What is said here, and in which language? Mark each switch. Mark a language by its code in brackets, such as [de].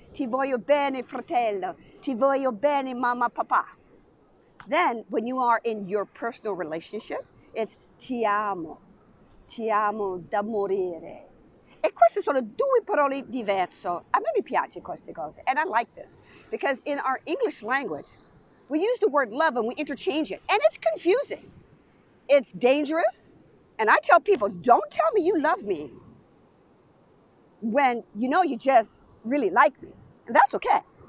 [it] Ti voglio bene, fratello. Ti voglio bene, mamma, papà. [en] Then, when you are in your personal relationship, it's [it] ti amo da morire. E queste sono due parole diverse. A me mi piace queste cose, [en] and I like this, because in our English language, we use the word love and we interchange it, and it's confusing. It's dangerous, and I tell people, don't tell me you love me when you know you just really like me, and that's okay.